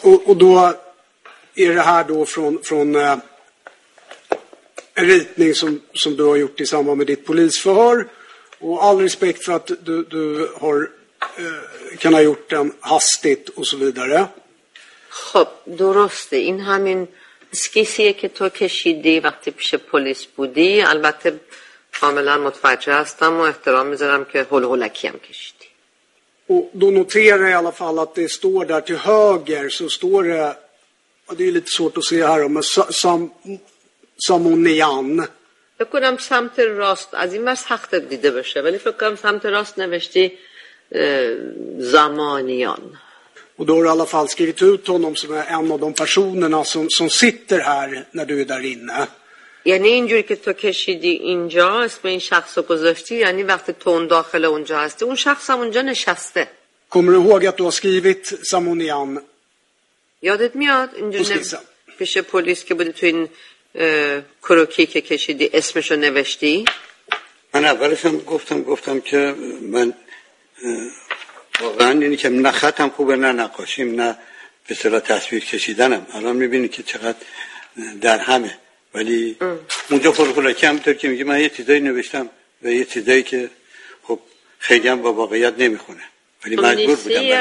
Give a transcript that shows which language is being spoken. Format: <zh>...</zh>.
<sv>Och då är det här då från en ritning som du har gjort i samband med ditt polisförhör. Och all respekt för att du har kan ha gjort den hastigt och så vidare.</sv> <fa>خب درسته این همین سکیسیه که تو کشیدی وقتی پیش پلیس بودی البته کاملا متوجه هستم و احترام میذارم که هول هولکی هم کشیدی</fa> <sv>و دو نوتره ای alla fall att det står där till höger så står det och det är lite svårt att se här men Samonian</sv> <fa>بکنم سمت راست از این ور سخت دیده بشه ولی فکر کنم سمت راست نوشتی زمانیان.</fa> <sv>Och då har du i alla fall skrivit ut honom som är en av de personerna som sitter här när du är där inne.</sv> <fa>یعنی اینجوری که تو کشیدی اینجا اسم این شخص رو گذاشتی یعنی وقتی تو اون داخل اونجا هستی اون شخص هم اونجا نشسته.</fa> <sv>Kommer du ihåg att du har skrivit Samonian?</sv> <fa>یادت میاد اینجوری پیش پلیس که بودی تو این کروکی که کشیدی اسمش رو نوشتی؟ من اولش هم گفتم که من واقعا یعنی که نه خطم خوبه نه نقاشیم نه به صلاح تصویر کشیدنم الان میبینی که چقدر در همه ولی اونجا خلقلکی هم بطور که میگه من یه چیزایی نوشتم و یه چیزایی که خب خیلی هم با واقعیت نمیخونه ولی مجبور بودم</fa>